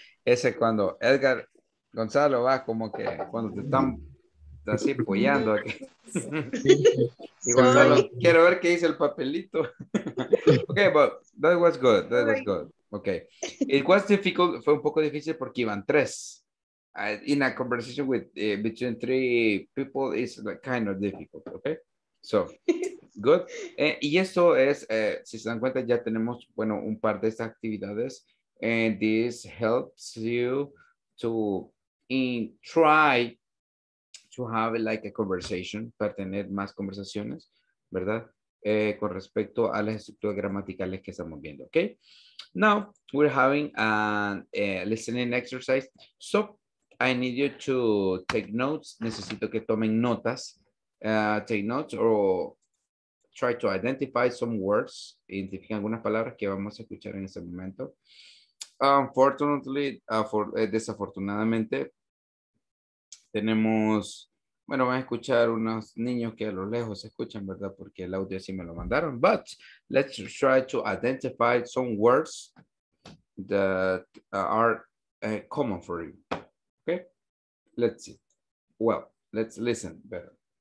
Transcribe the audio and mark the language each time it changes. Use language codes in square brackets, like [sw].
[es] Ese cuando Edgar Gonzalo va como que cuando te están así apoyando. Aquí. Y Gonzalo, quiero ver qué dice el papelito. [en] Okay, but that was good, that was good. [es] Okay, [en] it was difficult, [es] fue un poco difícil porque iban tres. [en] In a conversation with between three people is like kind of difficult, okay? So, good. [es] Y eso es, si se dan cuenta, ya tenemos, bueno, un par de estas actividades. [en] And this helps you to try to have like a conversation, [es] para tener más conversaciones, ¿verdad? Con respecto a las estructuras gramaticales que estamos viendo, okay? [en] Now, we're having a listening exercise. So, I need you to take notes. [es] Necesito que tomen notas. [en] Take notes or try to identify some words. [es] Identifiquen algunas palabras que vamos a escuchar en ese momento. Unfortunately, desafortunadamente, tenemos, bueno, van a escuchar unos niños que a lo lejos se escuchan, ¿verdad? Porque el audio sí me lo mandaron. [en] But let's try to identify some words that are common for you. Okay, let's see. Well, let's listen better.